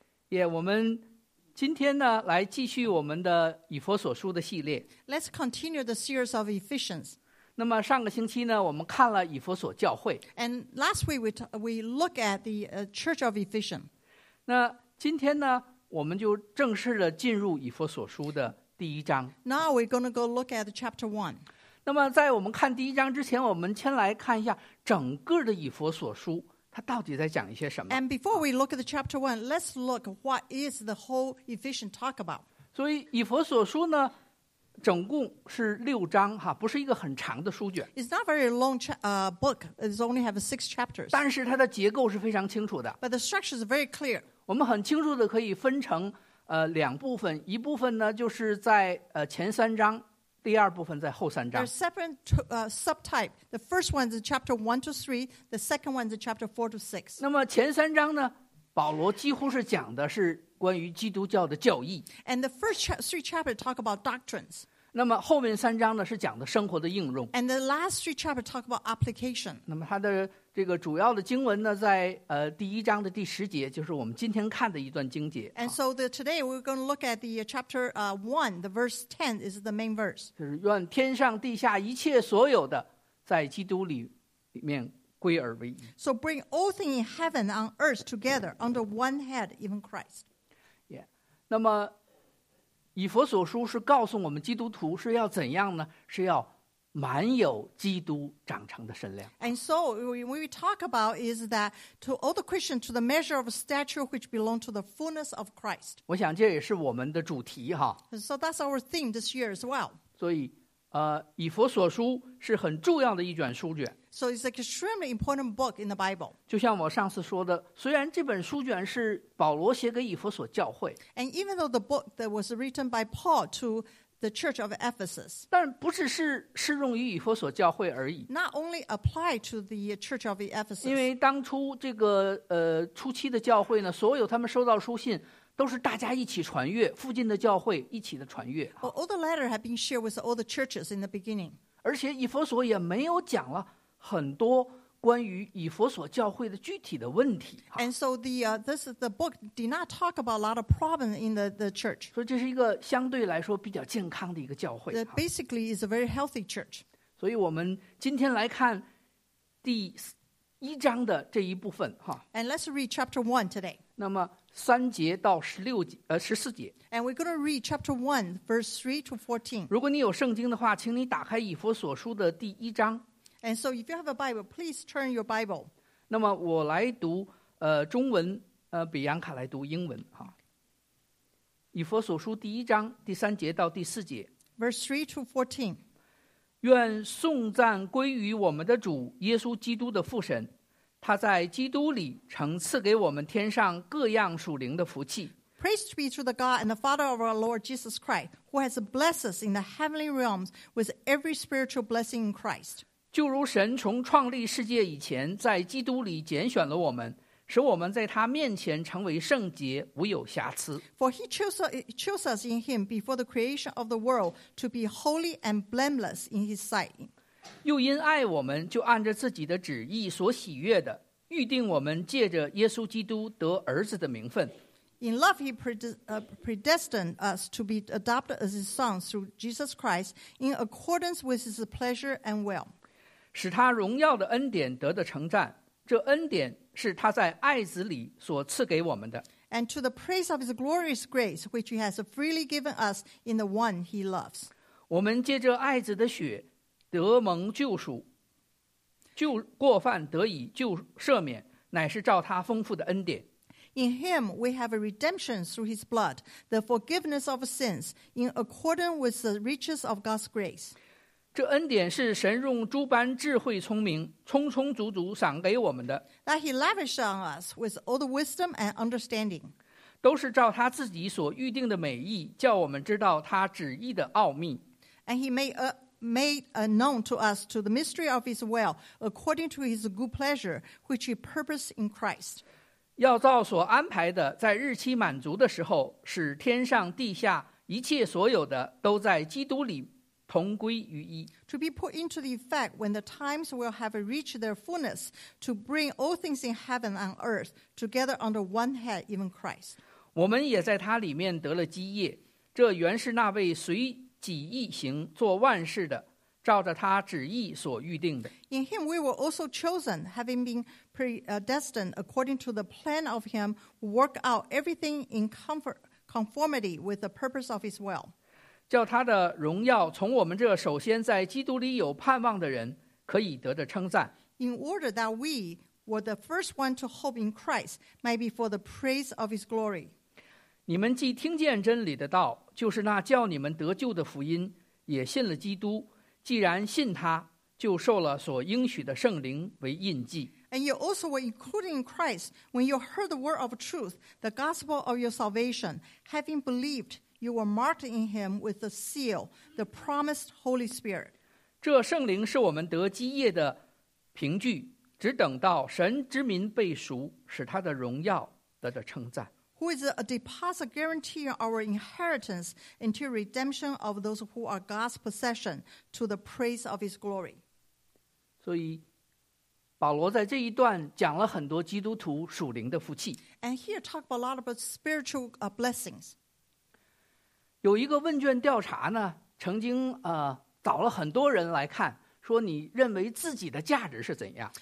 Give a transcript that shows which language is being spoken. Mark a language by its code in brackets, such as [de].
[zh] Yeah, 我们今天呢来继续我们的以弗所书的系列。 [en] Let's continue the series of Ephesians. [zh] 那么上个星期呢我们看了以弗所教会。 [en] And last week we look at the Church of Ephesians. [zh] 那今天呢我们就正式的进入以弗所书的第一章。 [en] Now we're going to go look at chapter 1. [zh] 那么在我们看第一章之前，我们先来看一下整个的以弗所书它到底在讲一些什么。 [en] And before we look at the chapter 1, let's look what is the whole Ephesians talk about. [zh] 所以以弗所书呢整共是六章哈，不是一个很长的书卷。 [en] It's not very long book. It's only have six chapters. [zh] 但是它的结构是非常清楚的。 [en] But the structure is very clear. [zh] 我们很清楚的可以分成两部分，一部分呢就是在前三章，第二部分在后三章。 [en] There's separate subtype. The first one is chapter 1 to 3. The second one is chapter 4 to 6. [zh] 那么前三章呢，保罗几乎是讲的是关于基督教的教义。 [en] And the first three chapters talk about doctrines. [zh] 那么后面三章呢，是讲的生活的应用。 [en] And the last three chapters talk about application. [zh] 那么它的这个主要的经文呢，在第一章的第十节，就是我们今天看的一段经节。 [en] And so today we're going to look at the chapter 1, the verse 10 is the main verse. [zh] 就是愿天上地下一切所有的在基督里面归而为一。 [en] So bring all things in heaven on earth together under one head, even Christ. Yeah. [zh] 那么以弗所书是告诉我们基督徒是要怎样呢？是要满有基督长成的身量。 [en] And so what we talk about is that to all the Christians to the measure of a stature which belong to the fullness of Christ. [zh] 我想这也是我们的主题哈。 [en] So that's our theme this year as well. [zh] 所以以弗所书是很重要的一卷书卷。 [en] So it's an extremely important book in the Bible. [zh] 就像我上次说的，虽然这本书卷是保罗写给以弗所教会。 [en] And even though the book that was written by Paul to the Church of Ephesus. [zh] 但不只是适用于以弗所教会而已。 [en] Not only apply to the Church of Ephesus. [zh] 因为当初这个初期的教会呢，所有他们收到书信都是大家一起传阅，附近的教会一起的传阅。 [en] But all the letters have been shared with all the churches in the beginning. [zh] 而且以弗所也没有讲了很多关于以弗所教会的具体的问题。 [en] And so the book did not talk about a lot of problems in the church. [zh] 所以这是一个相对来说比较健康的一个教会。 [en] Basically, it's a very healthy church. [zh] 所以我们今天来看第一章的这一部分。 [en] And let's read chapter 1 today. [zh] 那么三节到十四节。 [en] And we're going to read chapter 1, verse 3 to 14. [zh] 如果你有圣经的话，请你打开以弗所书的第一章。 [en] And so if you have a Bible, please turn your Bible. [zh] 那么我来读中文比扬卡来读英文哈。以弗所书第一章第三节到第四节。 [en] Verse 3 to 14. [zh] 愿颂赞归于我们的主耶稣基督的父神，他在基督里曾赐给我们天上各样属灵的福气。 [en] Praise be to the God and the Father of our Lord Jesus Christ, who has blessed us in the heavenly realms with every spiritual blessing in Christ. [zh] 就如神从创立世界以前在基督里拣选了我们，使我们在他面前成为圣洁无有瑕疵。 [en] For he chose us in him before the creation of the world to be holy and blameless in his sight. [zh] 又因爱我们，就按着自己的旨意所喜悦的预定我们借着耶稣基督得儿子的名分。 [en] In love he predestined us to be adopted as his sons through Jesus Christ in accordance with his pleasure and will. [zh] 使他荣耀的恩典得的称赞，这恩典是他在爱子里所赐给我们的。 [en] And to the praise of his glorious grace, which he has freely given us in the one he loves. [zh] 我们借着爱子的血得蒙救赎，就过犯得以救赦免，乃是照他丰富的恩典。 [en] In him we have a redemption through his blood, the forgiveness of sins, in accordance with the riches of God's grace. [zh] 这恩典是神用诸般智慧聪明充充足足赏给我们的。 [en] That he lavished on us with all the wisdom and understanding. [zh] 都是照他自己所预定的美意，叫我们知道他旨意的奥秘。 [en] And he made known to us to the mystery of his will, according to his good pleasure, which he purposed in Christ. [zh] 要照所安排的，在日期满足的时候，使天上地下一切所有的都在基督里同归于一。 [en] To be put into the effect when the times will have reached their fullness, to bring all things in heaven and earth together under one head, even Christ. [zh] 我们也在他里面得了基业，这原是那位随己意行做万事的，照着他旨意所预定的。 [en] In him we were also chosen, having been predestined according to the plan of him, work out everything in conformity with the purpose of his will. [zh] 叫他的荣耀从我们这首先在基督里有盼望的人可以得着称赞。 [en] In order that we were the first one to hope in Christ, might be for the praise of his glory. [zh] 你们既听见真理的道，就是那叫你们得救的福音，也信了基督。既然信他，就受了所应许的圣灵为印记。 [en] And you also were included in Christ when you heard the word of truth, the gospel of your salvation. Having believed, you were marked in him with the seal, the promised Holy Spirit. [zh] 这圣灵是我们得基业的凭据，只等到神之民被赎，使他的荣耀得着称赞。 [en] Who is a deposit guaranteeing our inheritance until redemption of those who are God's possession to the praise of his glory. [zh] 所以保罗在这一段讲了很多基督徒属灵的福气。 [en] And here talk about a lot about spiritual blessings. [zh] 有一个问卷调查呢，曾经找了很多人来看，说你认为自己的价值是怎样。